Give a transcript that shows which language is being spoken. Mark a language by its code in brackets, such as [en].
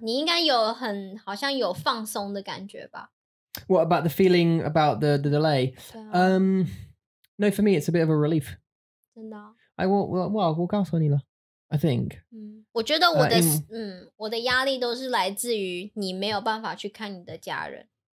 [zh] 你应该有很好像有放松的感觉吧。 [en] What about the feeling about the delay?、No, for me, it's a bit of a relief. [zh] 真的、 [en] 哦、I will, well, well, [zh] 我告诉你了 [en] I think.、 [zh] 嗯、我觉得我的、我的压力都是来自于你没有办法去看你的家人。